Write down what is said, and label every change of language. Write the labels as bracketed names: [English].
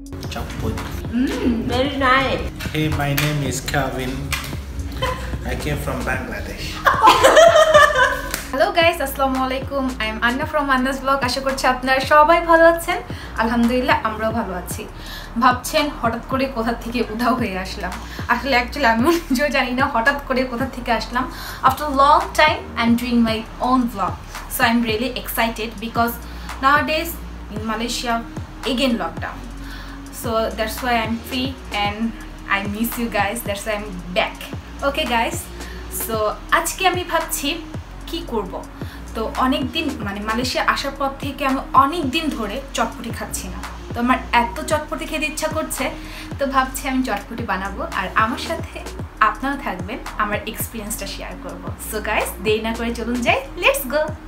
[English] Chop wood. Very nice. Hey, my name is Calvin. I came from Bangladesh. Hello guys, Assalamu alaikum. I am Anna from Anna's Vlog. [Bangla] আশা করছি আপনারা সবাই ভালো আছেন। আলহামদুলিল্লাহ আমরাও ভালো আছি। ভাবছেন হঠাৎ করে কোথা থেকে উধাও হয়ে আসলাম। আসলে অ্যাকচুয়ালি আমি নিজেও জানি না হঠাৎ করে কোথা থেকে আসলাম। [English] After long time I'm doing my own vlog. So I'm really excited because nowadays in Malaysia again lockdown. So that's why I'm free and I miss you guys. That's why I'm back. Okay guys. [Bangla] So আজকে আমি ভাবছি কি করব তো অনেক দিন মানে Malaysia আসার পর থেকে আমি অনেক দিন ধরে চটপটি খাচ্ছি না তো আমার এত চটপটি খেতে ইচ্ছা করছে তো ভাবছি আমি চটপটি বানাবো আর আমার সাথে আপনারা থাকবেন আমার এক্সপেরিয়েন্সটা শেয়ার করব সো গাইস দেরি না করে চলুন যাই [English] let's go